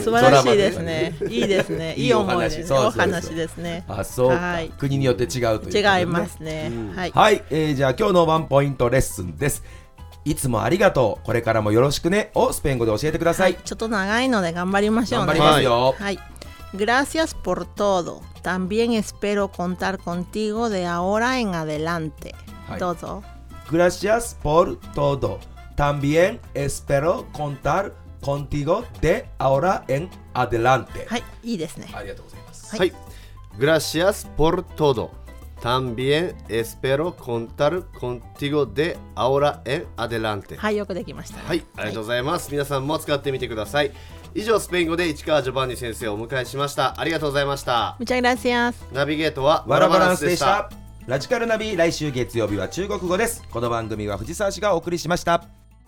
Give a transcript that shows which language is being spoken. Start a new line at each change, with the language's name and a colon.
Japanese: 素晴らしいですね、いいですね、いい思い、ね、そうそうそう、お話ですね。あ、そうか、はい、国によって違うという、ね、違いますね、うん、はい、はい、じゃあ今日のワンポイントレッスンです。いつもありがとう、これからもよろしくねをスペイン語で教えてください、はい、ちょっと長いので頑張りましょうね。頑張りますよ、
Spanish: はい、Gracias por todo. También espero contar contigo de ahora en adelante、
Japanese: はい、どうぞ。
Spanish: Gracias por todo. También espero contar contigo de ahora en adelante。
Japanese: はい、いいですね、ありがとうございます、はい、はい、Gracias por todoTambién espero contar contigo de ahora en adelante。はい、よくできました。はい、ありがとうございます、はい、皆さんも使ってみてください。以上、スペイン語で市川ジョバンニ先生をお迎えしました。ありがとうございました。
Spanish: Muchas gracias。
Japanese: ナビゲートはワラバランスでした。ラジカルナビ、来週月曜日は中国語です。この番組は藤沢氏がお送りしました。